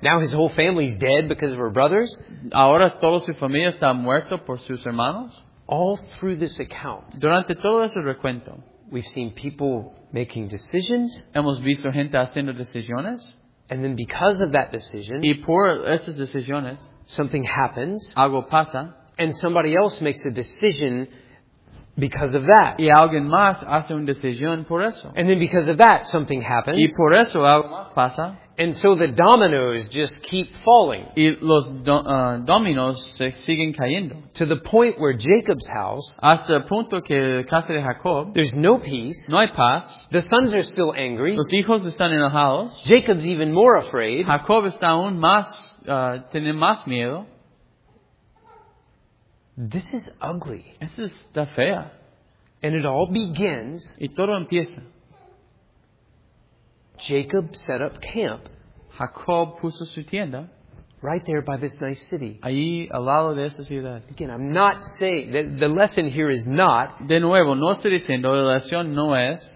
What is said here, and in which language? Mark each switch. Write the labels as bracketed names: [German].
[English] Now his whole family's dead because of her brothers. [Spanish] Ahora toda su familia está muerta por sus hermanos. [English] All through this account. [Spanish] Durante todo ese recuento. [English] We've seen people making decisions. [Spanish] Hemos visto gente haciendo decisiones. [English] And then because of that decision, [Spanish] y por esas decisiones, [English] something happens. [Spanish] Algo pasa. [English] And somebody else makes a decision because of that. [Spanish] Y alguien más hace una decisión por eso. [English] And then because of that, something happens. [Spanish] Y por eso algo más pasa. [English] And so the dominoes just keep falling. [Spanish] Y los dominos se siguen cayendo. [English] To the point where Jacob's house, [Spanish] hasta el punto que la casa de Jacob, [English] there's no peace. [Spanish] No hay paz. [English] The sons are still angry. [Spanish] Los hijos están enojados. [English] Jacob's even more afraid. [Spanish] Jacob está aún más, tiene más miedo. [English] This is ugly. [Spanish] Esto está fea. [English] And it all begins. [Spanish] Y todo empieza. [English] Jacob set up camp. [Spanish] Jacob puso su tienda [English] right there by this nice city. [Spanish] Ahí al lado de esa ciudad. [English] Again, I'm not saying the lesson here is not. [Spanish] De nuevo, no estoy diciendo la lección no es.